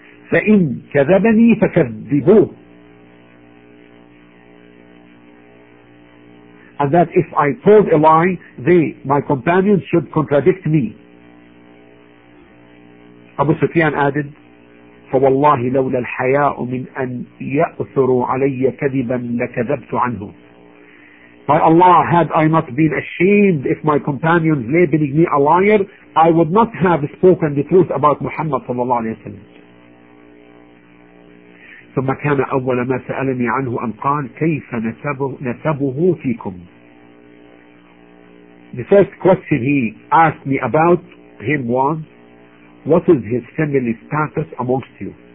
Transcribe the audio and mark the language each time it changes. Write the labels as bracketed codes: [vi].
[ar] فإن كذبني فكذبوه, [en] and that if I told a lie, they, my companions, should contradict me. [ar] Abu Sufyan added, فوالله لولا الحياء من أن يأثروا علي كذبا لكذبت عنه. [en] By Allah, had I not been ashamed if my companions labeling me a liar, I would not have spoken the truth about Muhammad صلى الله عليه وسلم. [ar] ثم كان أول ما سألني عنه أن قال كيف نسبه فيكم. [en] The first question he asked me about him was, what is his family status amongst you?